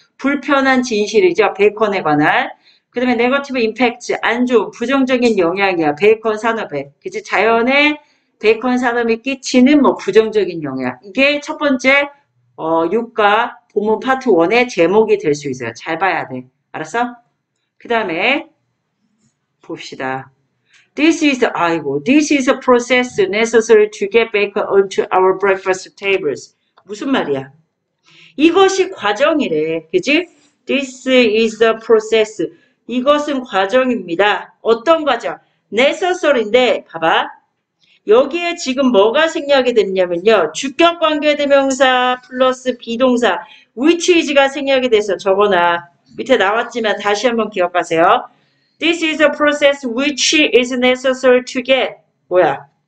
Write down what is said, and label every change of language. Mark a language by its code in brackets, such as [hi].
[ko] 불편한 진실이죠. 베이컨에 관한. 그 다음에 negative impact, 안 좋은, 부정적인 영향이야. 베이컨 산업에. 그치? 자연에 베이컨 산업이 끼치는 뭐 부정적인 영향. 이게 첫 번째, 6과 본문 파트 1의 제목이 될수 있어요. 잘 봐야 돼. 알았어? 그 다음에, 봅시다. [en] This is a process necessary to get bacon onto our breakfast tables. [ko] 무슨 말이야? 이것이 과정이래. 그치? [en] This is a process. [ko] 이것은 과정입니다. 어떤 과정? necessary인데, 봐봐. 여기에 지금 뭐가 생략이 됐냐면요. 주격 관계 대명사 플러스 비동사, which is가 생략이 돼서 적어놔. 밑에 나왔지만 다시 한번 기억하세요. [en] This is a process which is necessary to get, [ko] 뭐야?